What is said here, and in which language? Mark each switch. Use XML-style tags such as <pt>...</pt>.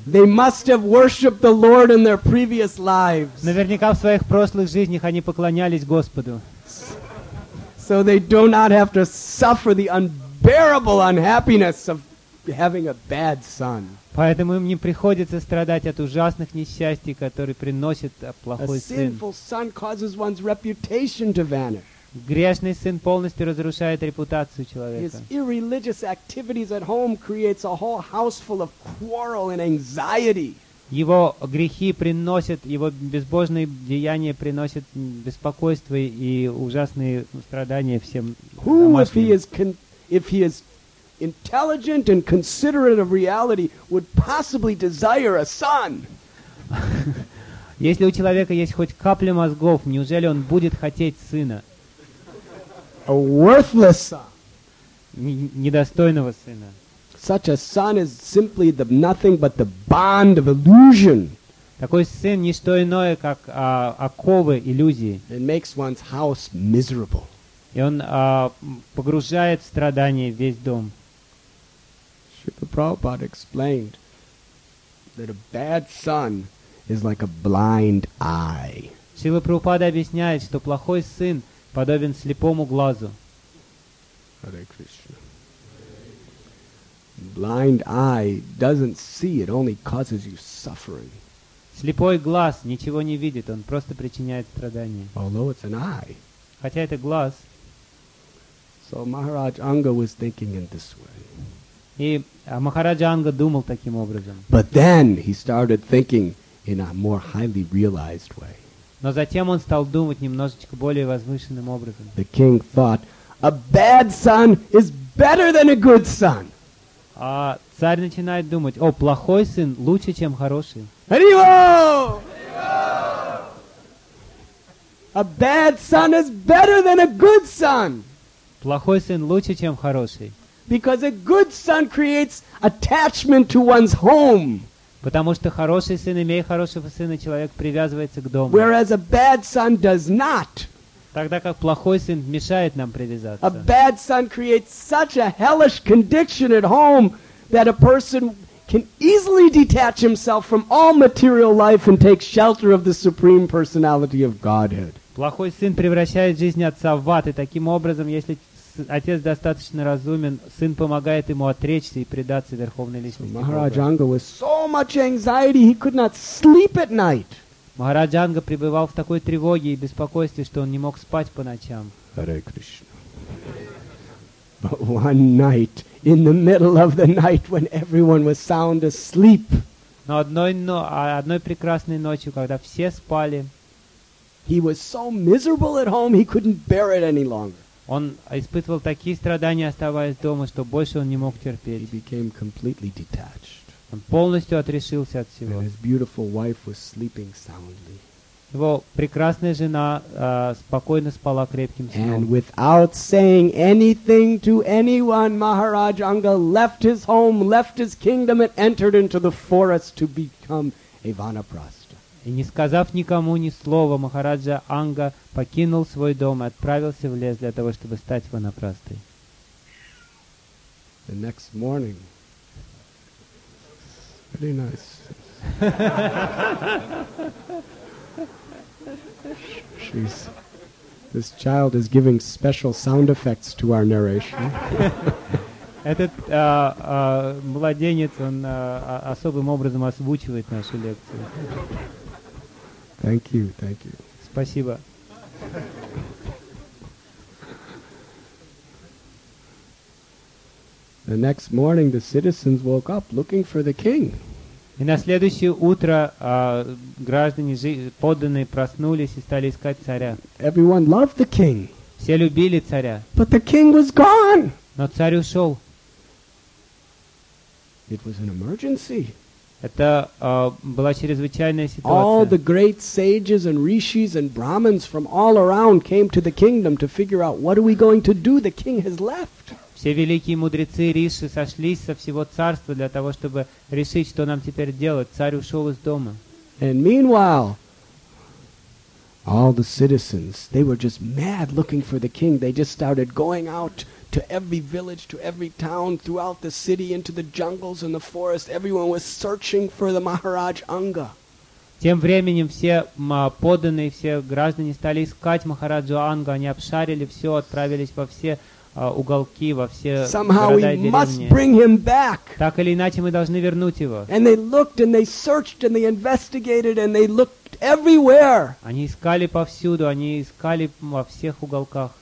<en>They must have worshipped the Lord in their previous lives.</en> <ru>Наверняка в своих прошлых жизнях они поклонялись Господу.</ru> <en>So they do not have to suffer the unbearable unhappiness of having a bad son.</en> <ru>Поэтому им не приходится страдать от ужасных несчастий, которые приносит плохой сын.</ru> <en>A sinful son causes one's reputation to vanish.</en> <ru>Грешный сын полностью разрушает репутацию человека.</ru> <en>His irreligious activities at home creates a whole house full of quarrel and anxiety.</en> <ru>Его грехи приносят, его безбожные деяния приносят беспокойство и ужасные страдания всем домашним.</ru> <en>Intelligent and considerate of reality would possibly desire a son.</en> <ru>Если у человека есть хоть капля мозгов, неужели он будет хотеть сына?</ru> <en>A worthless son.</en> <ru>Недостойного сына.</ru> <en>Such a son is simply the nothing but the bond of illusion.</en> <ru>Такой сын не что иное, как оковы иллюзии.</ru> <en>It makes one's house miserable.</en> <ru>И он погружает в страдания весь дом.</ru> <en>Srila Prabhupada explained that a bad son is like a blind eye.</en> <ru>Srila Prabhupada объясняет, что плохой сын подобен слепому глазу.</ru> <en>Hare Krishna. Blind eye doesn't see, it only causes you suffering.</en> <ru>Слепой глаз ничего не видит, он просто причиняет страдания.</ru> <en>Although it's an eye.</en> <ru>Хотя это глаз.</ru> <en>So Maharaj Anga was thinking in this way.</en> <ru>И Махараджа Анга думал таким образом.</ru> <en>But then he started thinking in a more highly realized way.</en> <ru>Но затем он стал думать немножечко более возвышенным образом.</ru> <en>The king thought, a bad son is better than a good son.</en> <ru>А царь начинает думать, о, плохой сын лучше, чем хороший.</ru> <it>Arrivo!</it> <en>A bad son is better than a good son.</en> <ru>Плохой сын лучше, чем хороший.</ru> <en>Because a good son creates attachment to one's home.</en> <ru>Потому что хороший сын, имея хорошего сына, человек привязывается к дому.</ru> <en>Whereas a bad son does not.</en> <ru>Тогда как плохой сын мешает нам привязаться.</ru> <en>A bad son creates such a hellish condition at home that a person can easily detach himself from all material life and take shelter of the Supreme Personality of Godhead.</en> <ru>Плохой сын превращает жизнь отца в ад, и таким образом, если отец достаточно разумен, сын помогает ему отречься и предаться Верховной Личности.</ru> <en>Махараджанга was so much anxiety, he could not sleep at night.</en> <ru>Махараджанга пребывал в такой тревоге и беспокойстве, что он не мог спать по ночам.</ru> <en>Hare Krishna. But one night, in the middle of the night, when everyone was sound asleep,</en> <ru>но одной прекрасной ночью, когда все спали,</ru> <en>he was so miserable at home, he couldn't bear it any longer.</en> <ru>Он испытывал такие страдания, оставаясь дома, что больше он не мог терпеть.</ru> <en>He became completely detached.</en> <ru>Он полностью отрешился от всего.</ru> <en>And his beautiful wife was sleeping soundly.</en> <ru>Его прекрасная жена спокойно спала крепким сном.</ru> <en>And without saying anything to anyone, Maharaj Anga left his home, left his kingdom, and entered into the forest to become a vanaprastha.</en> <ru>И не сказав никому ни слова, Махараджа Анга покинул свой дом и отправился в лес для того, чтобы стать ванапрастой.</ru> <en>The next morning. Pretty nice. This child is giving special sound effects to our narration.</en> <ru>Этот младенец, он особым образом озвучивает нашу лекцию.</ru> <en>Thank you, thank you.</en> <ru>Спасибо.</ru> <en>The next morning, the citizens woke up looking for the king.</en> <ru>И на следующее утро граждане, подданные, проснулись и стали искать царя.</ru> <en>Everyone loved the king.</en> <ru>Все любили царя.</ru> <en>But the king was gone.</en> <ru>Но царь ушел.</ru> <en>It was an emergency.</en> <ru>Это была чрезвычайная ситуация.</ru> <en>All the great sages and rishis and brahmins from all around came to the kingdom to figure out what are we going to do. The king has left.</en> <ru>Все великие мудрецы и риши сошлись со всего царства для того, чтобы решить, что нам теперь делать. Царь ушел из дома.</ru> <en>And meanwhile, all the citizens, they were just mad looking for the king. They just started going out to every village, to every town, throughout the city, into the jungles and the forest. Everyone was searching for the Maharaj Anga.</en> <ru>Тем временем все подданные, все граждане стали искать Махараджу Анга. Они обшарили все, отправились во все уголки, во все города и деревни.</ru> <en>Somehow we must bring him back.</en> <ru>Так или иначе, мы должны вернуть его.</ru> <en>And they looked and they searched and they investigated and they looked everywhere.</en> <ru>Они искали повсюду, они искали во всех уголках.</ru>